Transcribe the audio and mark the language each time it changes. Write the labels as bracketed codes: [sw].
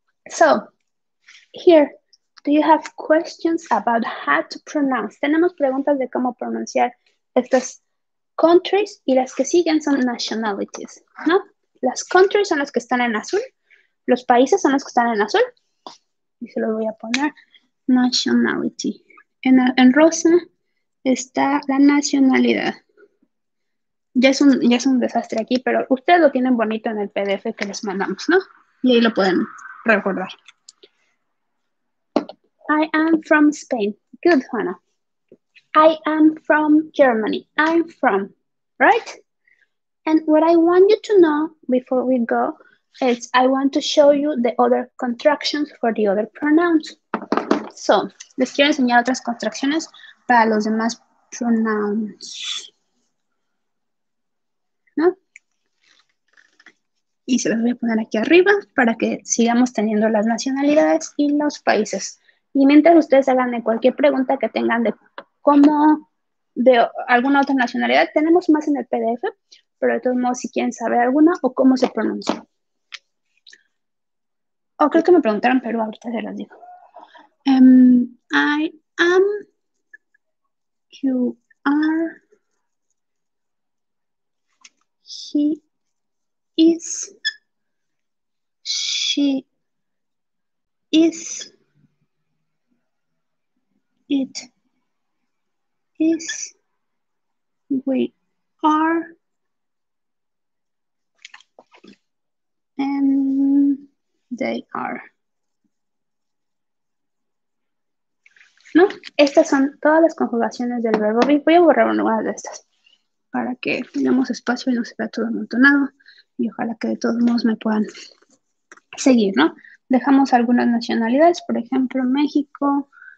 [en] So, here, do you have questions about how to pronounce? [es] Tenemos preguntas de cómo pronunciar estas countries y las que siguen son nationalities, ¿no? Las countries son las que están en azul. Los países son los que están en azul. Y se lo voy a poner nationality. En rosa está la nacionalidad. Ya es un desastre aquí, pero ustedes lo tienen bonito en el PDF que les mandamos, ¿no? Y ahí lo pueden recordar. [en] I am from Spain. Good, Juana. I am from Germany. I'm from, right? And what I want you to know before we go, It's I want to show you the other contractions for the other pronouns. [es] So, les quiero enseñar otras contracciones para los demás pronouns. ¿No? Y se las voy a poner aquí arriba para que sigamos teniendo las nacionalidades y los países. Y mientras ustedes hagan de cualquier pregunta que tengan de cómo, de alguna otra nacionalidad, tenemos más en el PDF, pero de todos modos, si quieren saber alguna o cómo se pronuncia. O creo que me preguntaron, pero ahorita se las digo. [en] I am, you are, he is, she is, it is, we are, and they are. [es] ¿No? Estas son todas las conjugaciones del verbo be. Voy a borrar una de estas para que tengamos espacio y no se vea todo amontonado. Y ojalá que de todos modos me puedan seguir, ¿no? Dejamos algunas nacionalidades, por ejemplo, México.